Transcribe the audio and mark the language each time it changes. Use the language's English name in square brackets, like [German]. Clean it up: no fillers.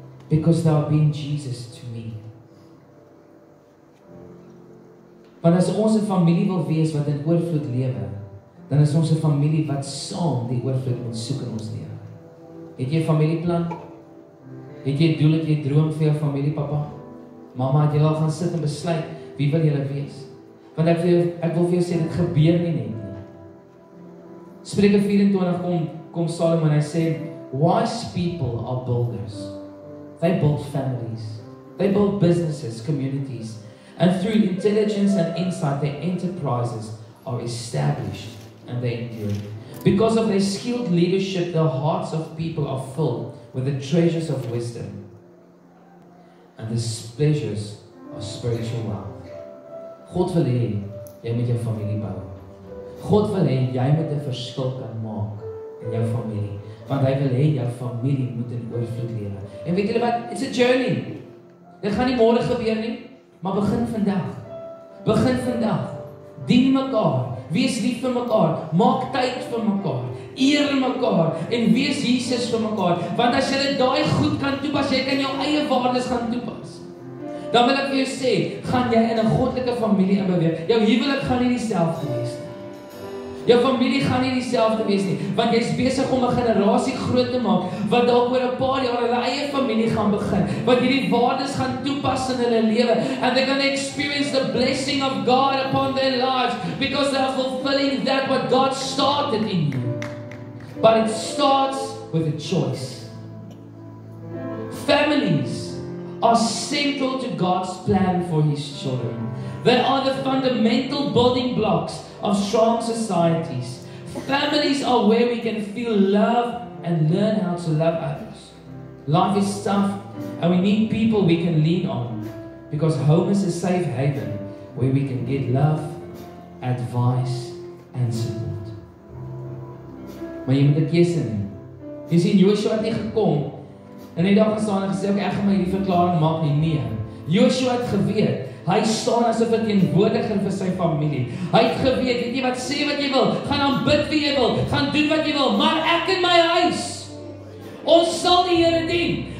[English] Because they are being Jesus to me. [Afrikaans] Want as ons 'n familie wil wees wat in oorvloed lewe, dan is ons 'n familie wat saam die oorvloed moet soek in ons lewe. Het jy 'n familieplan? Het jy 'n doel, het jy 'n droom vir jou familie, pappa? Mama, het julle al gaan sit en besluit wie wil julle wees? Want ek wil vir jou sê dit gebeur nie net nie. Spreuke 24 kom Salomo en hy sê, [English] wise people are builders. They build families. They build businesses, communities. And through intelligence and insight, their enterprises are established and they endure. Because of their skilled leadership, the hearts of people are filled with the treasures of wisdom and the pleasures of spiritual wealth. [Afrikaans] God wil hê jy moet jou familie bou. God wil hê jy moet 'n verskil kan maak in jou familie, want hy wil hê jou familie moet in oorvloed lewe. En weet julle wat? [English] It's a journey. [Afrikaans] Dit gaan nie môre gebeur nie, maar begin vandag. Begin vandag. Dien mekaar. Wees lief vir mekaar. Maak tyd vir mekaar. Eer mekaar en wees Jesus vir mekaar. Want as jy dit daai goed kan toepas, jy kan jou eie waardes gaan toepas. Dan wil ek vir jou sê, gaan jy in 'n goddelike familie inbeweeg. Jou huwelik gaan nie dieselfde wees nie. Jou familie gaan nie dieselfde wees nie, want jy's besig om 'n generasie groot te maak wat dalk oor 'n paar jaar hulle eie familie gaan begin, wat hierdie waardes gaan toepas in hulle lewe. [English] And they're going to experience the blessing of God upon their lives because they're fulfilling that what God started in you. But it starts with a choice. Families are central to God's plan for His children. They are the fundamental building blocks of strong societies. Families are where we can feel love and learn how to love others. Life is tough and we need people we can lean on because home is a safe haven where we can get love, advice and support. [Afrikaans] Maar jy moet 'n keuse neem. Jy sien Joshua het nie gekom en hy daar gestaan en gesê okay, ek gaan my hierdie verklaring maak nie. Nee. Joshua het geweet. Hy staan as 'n verteenwoordiger vir sy familie. Hy het geweet, weet jy wat, sê wat jy wil, gaan aanbid wie jy wil, gaan doen wat jy wil, maar ek en my huis, ons sal die Here dien.